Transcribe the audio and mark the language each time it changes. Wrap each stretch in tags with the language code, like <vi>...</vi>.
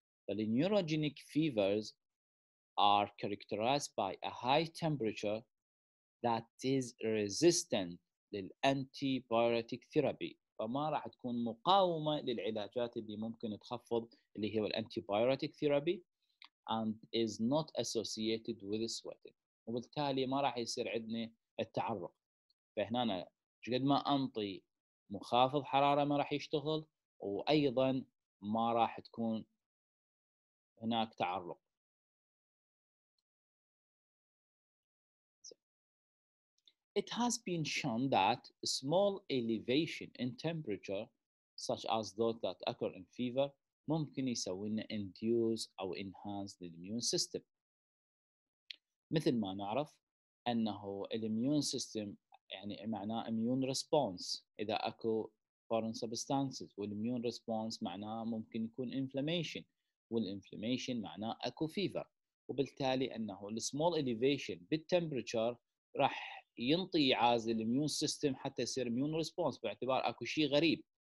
<ar>فالنيوروجينيك فيفرز</ar> <en>are characterized by a high temperature that is resistant</en> <ar>للانتيبيوتيك ثيرابي، فما راح تكون مقاومة للعلاجات اللي ممكن تخفض اللي هي الانتيبيوتيك ثيرابي</ar> <en>and is not associated with sweating،</en> <ar>وبالتالي ما راح يصير عندنا التعرق. فهنا أنا قد ما أنطي مخافض حرارة ما راح يشتغل، وأيضا ما راح تكون هناك تعرق.</ar> <en>It has been shown that small elevation in temperature, such as those that occur in fever,</en> <ar>ممكن يسوي لنا</ar> <en>induce أو enhance the immune system.</en> <ar>مثل ما نعرف أنه immune system يعني معناه immune response إذا أكو foreign substances، والimmune response معناه ممكن يكون inflammation، والinflammation معناه أكو fever، وبالتالي أنه the small elevation بالtemperature راح ينطي عازل الميون سيستم حتى يصير ميون ريسبونس باعتبار اكو شيء غريب.</ar>